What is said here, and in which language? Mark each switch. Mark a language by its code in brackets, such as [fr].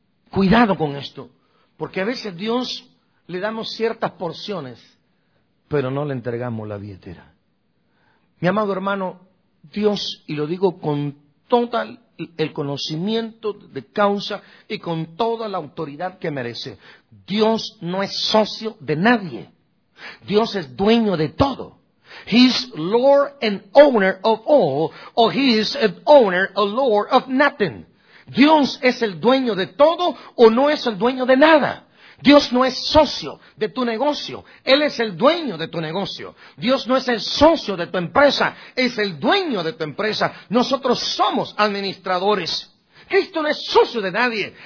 [es] Cuidado con esto, porque a veces Dios le damos ciertas porciones, pero no le entregamos la billetera. Mi amado hermano, Dios, y lo digo con total el conocimiento de causa y con toda la autoridad que merece, Dios no es socio de nadie. Dios es dueño de todo. [en] He's Lord and owner of all, or he is an owner, a lord of nothing. [es] Dios es el dueño de todo o no es el dueño de nada. Dios no es socio de tu negocio. Él es el dueño de tu negocio. Dios no es el socio de tu empresa. Es el dueño de tu empresa. Nosotros somos administradores. Cristo no es socio de nadie.